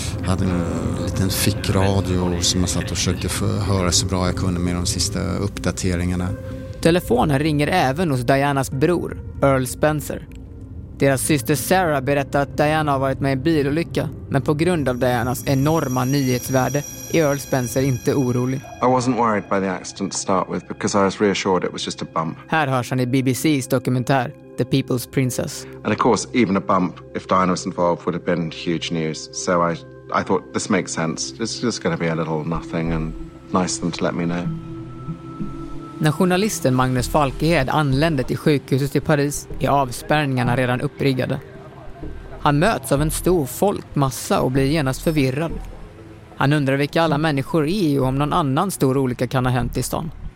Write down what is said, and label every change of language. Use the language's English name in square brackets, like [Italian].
[Swedish] hade en liten fickradio som jag satt och försökte höra så bra jag kunde med de sista uppdateringarna. Telefonen ringer även hos Dianas bror, Earl Spencer. Deras syster Sarah berättar att Diana har varit med i en bilolycka, men på grund av Dianas enorma nyhetsvärde är Earl Spencer inte orolig. [English] I wasn't worried by the accident to start with because I was reassured it was just a bump. [Swedish] Här hörs han i BBC:s dokumentär The People's Princess. [English] And of course, even a bump if Diana was involved would have been huge news. So I thought this makes sense. It's just going to be a little nothing and nice them to let me know. [Swedish] När journalisten Magnus Falkehed anlände till sjukhuset i Paris är avspärrningarna redan uppriggade. Han möts av en stor folkmassa och blir genast förvirrad. Han undrar vilka alla människor är och om någon annan stor olycka kan ha hänt i stan.